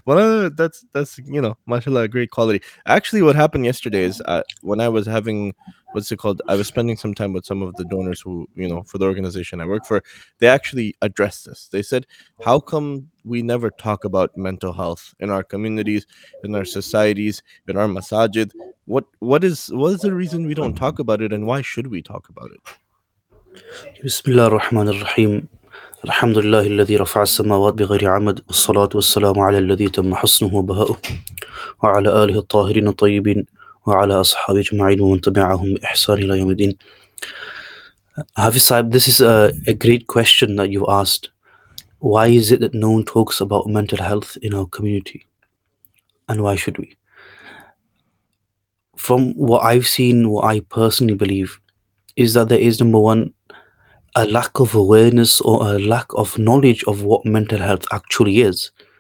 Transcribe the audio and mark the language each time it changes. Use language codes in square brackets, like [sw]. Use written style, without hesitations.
[en] That's, you know, mashallah, great quality. Actually, what happened yesterday is when I was having, I was spending some time with some of the donors who, you know, for the organization I work for, they actually addressed this. They said, how come we never talk about mental health in our communities, in our societies, in our masajid? What is the reason we don't talk about it, and why should we talk about it? [ar] بسم الله الرحمن الرحيم الحمد لله الذي رفع السماوات بغير عمد والصلاة والسلام على الذي تم حسنه وبهاؤه وعلى آله الطاهرين الطيبين وعلى أصحابه أجمعين ومن تبعهم بإحسان إلى يوم الدين. [en] Hafiz Saab, this is a great question that you asked. Why is it that no one talks about mental health in our community, and why should we? From what I've seen, what I personally believe is that there is, number one, a lack of awareness or a lack of knowledge of what mental health actually is.